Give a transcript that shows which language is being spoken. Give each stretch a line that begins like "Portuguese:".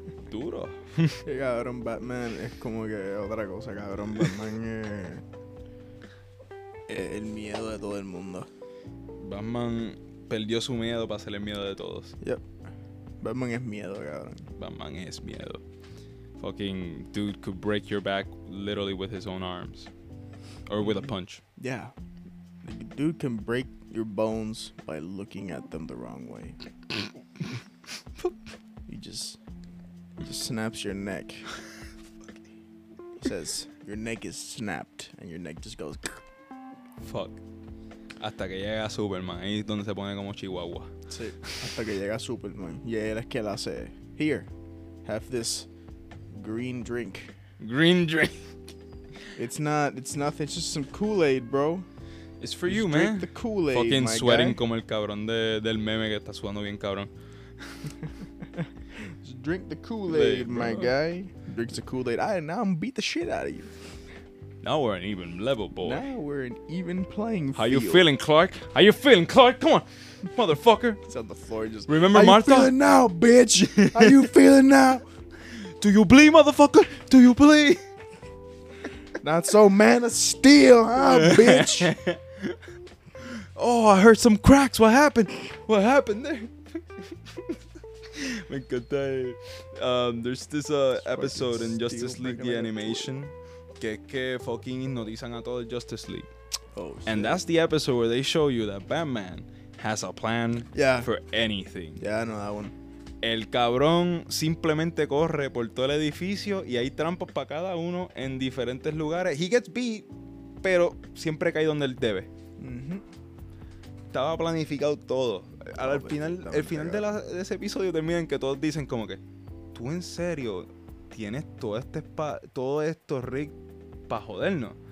Spanish: Duro. Sí, cabrón, Batman es como que otra cosa, cabrón. Batman es el miedo de todo el mundo. Batman perdió su miedo para ser el miedo de todos. Yep. Batman es miedo, cabrón. Batman es miedo.
English: Fucking dude could break your back literally with his own arms. Or with a punch. Yeah. Like, dude can break your bones by looking at them the wrong way. You just... just snaps your neck. He says, your neck is snapped. And your neck just goes.
Spanish: Fuck. Hasta que llega Superman. Ahí es donde se pone como chihuahua. Sí. Hasta que llega Superman. Y él es que él hace.
English: Here. Have this green drink. Green drink. It's not. It's nothing. It's just some Kool-Aid, bro. It's for you, man. Drink the Kool-Aid, fucking my sweating guy.
Spanish: Como el cabrón del meme que está sudando bien, cabrón.
English: Drink the Kool-Aid, my guy. Drink the Kool-Aid. I now I'm beat the shit out of you. Now we're an even level, boy. Now we're an even playing field. How you feeling, Clark? How you feeling, Clark? Come on, motherfucker. It's on the floor. Just remember, how Martha. How you feeling now, bitch? How you feeling now? Do you bleed, motherfucker? Do you bleed? Not so Man of Steel, huh, bitch? Oh, I heard some cracks. What happened? What happened there?
Spanish: Me encanta.
English: There's this episode in Justice League the animation
Spanish: que
English: fucking
Spanish: hipnotizan a todo el
English: Justice League. Oh, and that's the episode where they show you that Batman has a plan for anything. Yeah, no, that one.
Spanish: El cabrón simplemente corre por todo el edificio y hay trampas para cada uno en diferentes lugares.
English: He gets beat,
Spanish: pero siempre cae donde él debe. Estaba planificado todo. Al final de ese episodio termina en que todos dicen como que tú en serio tienes todo este todo esto, Rick, para jodernos.